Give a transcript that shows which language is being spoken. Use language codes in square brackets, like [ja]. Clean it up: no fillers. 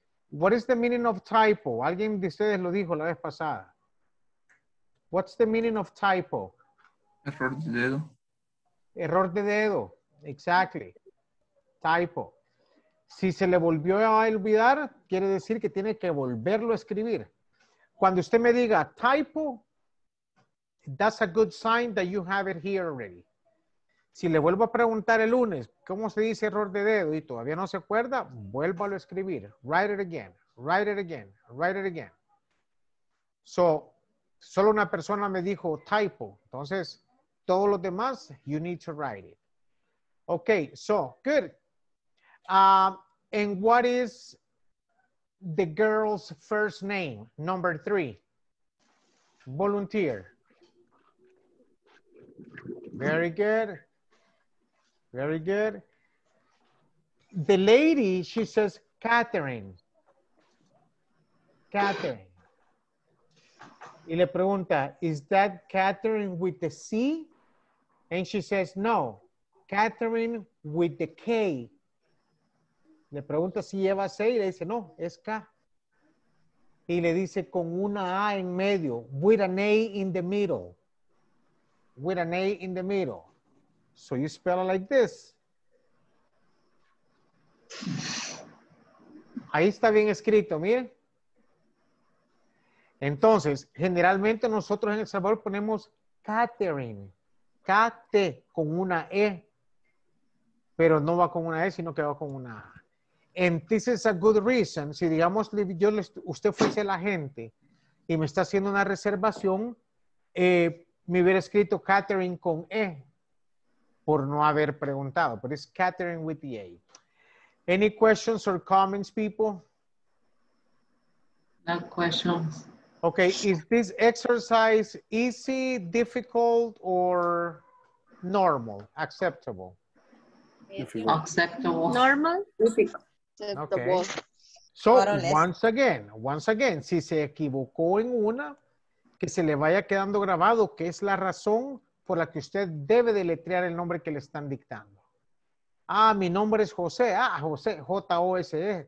[en] What is the meaning of typo? [es] Alguien de ustedes lo dijo la vez pasada. [en] What's the meaning of typo? [es] Error de dedo. Error de dedo. [en] Exactly. [es] Typo. Si se le volvió a olvidar, quiere decir que tiene que volverlo a escribir. Cuando usted me diga [en] typo, that's a good sign that you have it here already. [es] Si le vuelvo a preguntar el lunes, ¿cómo se dice error de dedo? Y todavía no se acuerda, vuélvalo a escribir. [en] Write it again. Write it again. Write it again. So, [es] solo una persona me dijo [en] typo. [es] Entonces, todos los demás, [en] you need to write it. Okay, so, good. And what is the girl's first name? Number three. Volunteer. Very good. Very good. The lady, she says, Catherine. Catherine. [es] Y le pregunta, [en] is that Catherine with the C? And she says, no, Catherine with the K. [es] Le pregunta si lleva C y le dice, no, es K. Y le dice, con una A en medio, [en] with an A in the middle. With an A in the middle. So you spell it like this. [es] Ahí está bien escrito, miren. Entonces, generalmente nosotros en El Salvador ponemos Catherine. Kate con una E. Pero no va con una E, sino que va con una A. [en] And this is a good reason. [es] Si digamos, yo les, usted fuese la gente y me está haciendo una reservación, me hubiera escrito Catherine con E por no haber preguntado. [en] But it's Catherine with the A. Any questions or comments, people? No questions. Okay, is this exercise easy, difficult, or normal, acceptable? Acceptable. Normal, difficult. Okay. So, once again, [es] si se equivocó en una, que se le vaya quedando grabado, que es la razón por la que usted debe deletrear el nombre que le están dictando. Ah, mi nombre es José. Ah, José, J-O-S-E.